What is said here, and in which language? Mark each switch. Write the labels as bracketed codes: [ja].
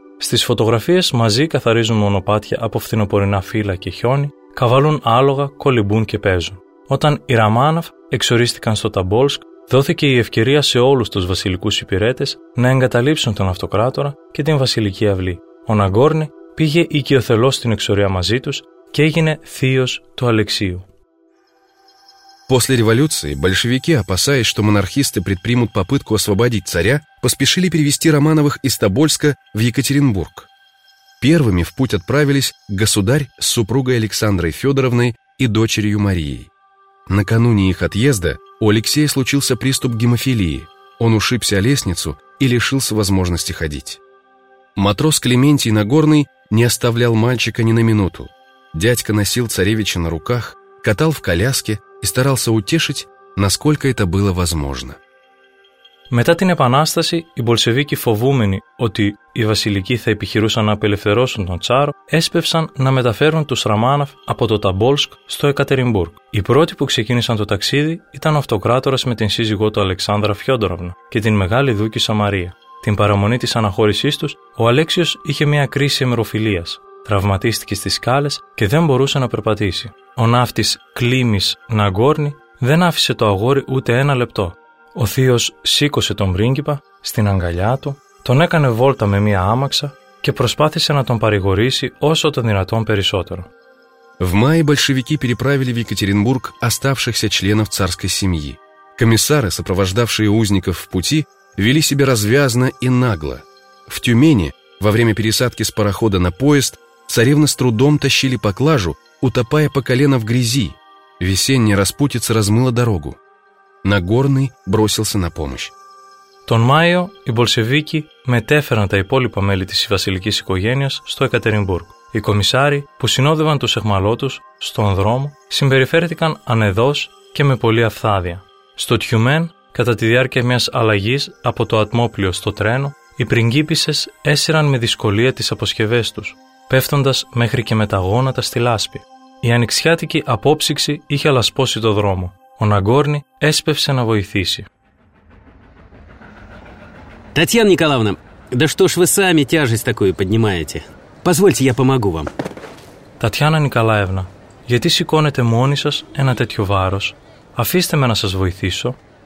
[el] Στις φωτογραφίες μαζί καθαρίζουν μονοπάτια από φθινοπορεινά φύλλα και χιόνι, καβαλούν άλογα, κολυμπούν και παίζουν. Όταν οι Ραμάνοφ εξορίστηκαν στο Ταμπόλσκ, δόθηκε η ευκαιρία σε όλους τους βασιλικούς υπηρέτες να εγκαταλείψουν τον αυτοκράτορα και την βασιλική αυλή. Ο Ναγκόρνη πήγε οικειοθελώς στην εξορία μαζί τους και έγινε θείος του Αλεξίου. [ru] После революции большевики, опасаясь, что монархисты предпримут попытку освободить царя, поспешили перевести Романовых из Тобольска в Екатеринбург. Первыми в путь отправились государь с супругой Александрой Федоровной и дочерью Марией. Накануне их отъезда у Алексея случился приступ гемофилии. Он ушибся о лестницу и лишился возможности ходить. Матрос Клементий Нагорный не оставлял мальчика ни на минуту. Дядька носил царевича на руках, катал в коляске и старался утешить, насколько это было возможно. [el] Μετά την Επανάσταση, οι Μπολσεβίκοι, φοβούμενοι ότι οι βασιλικοί θα επιχειρούσαν να απελευθερώσουν τον Τσάρο, έσπευσαν να μεταφέρουν τους Ραμάνοφ από το Ταμπόλσκ στο Εκατερινμπούργκ. Οι πρώτοι που ξεκίνησαν το ταξίδι ήταν ο αυτοκράτορας με την σύζυγό του Αλεξάνδρα Φιόντοροβνα και την μεγάλη δούκισσα Μαρία. Την παραμονή της αναχώρησής τους, ο Αλέξιος είχε μια κρίση αιμεροφιλίας. Τραυματίστηκε στις σκάλες και δεν μπορούσε να περπατήσει. Ο ναύτης Κλήμης Ναγκόρνη δεν άφησε το αγόρι ούτε ένα λεπτό. Ο θείος σήκωσε τον πρίγκιπα στην αγκαλιά του, τον έκανε βόλτα με μία άμαξα και προσπάθησε να τον παρηγορήσει όσο το δυνατόν περισσότερο. [ru] В мае большевики переправили в Екатеринбург оставшихся членов царской семьи. Комиссары, сопровождавшие узников в пути, вели себя развязно и нагло. В Тюмени, во время пересадки с парохода на поезд, царевны с трудом тащили поклажу, утопая по колено в грязи. Весенняя распутица размыла дорогу. Ναγκόρνη μπρόσιλσε να πόμουσ. [el] Τον Μάιο, οι Μπολσεβίκοι μετέφεραν τα υπόλοιπα μέλη της βασιλικής οικογένειας στο Εκατερινμπούργκ. Οι κομισάροι που συνόδευαν τους εχμαλώτους στον δρόμο συμπεριφέρθηκαν ανεδώς και με πολλή αυθάδεια. Στο Τιουμέν, κατά τη διάρκεια μιας αλλαγής από το ατμόπλιο στο τρένο, οι πριγκίπισσες έσυραν με δυσκολία τις αποσκευές τους, πέφτοντας μέχρι και με τα γόνατα στη λάσπη. Η ανοιξιάτικη απόψυξη είχε αλασπώσει το δρόμο. Ο Ναγκόρνη έσπευσε να βοηθήσει. [ru] Татьяна Николаевна, да что ж вы сами тяжесть такую поднимаете? Позвольте, я помогу вам. [el] Татьяна Николаевна, γιατί σηκώνετε μόνη σας ένα τέτοιο βάρος? Αφήστε με να σας βοηθήσω.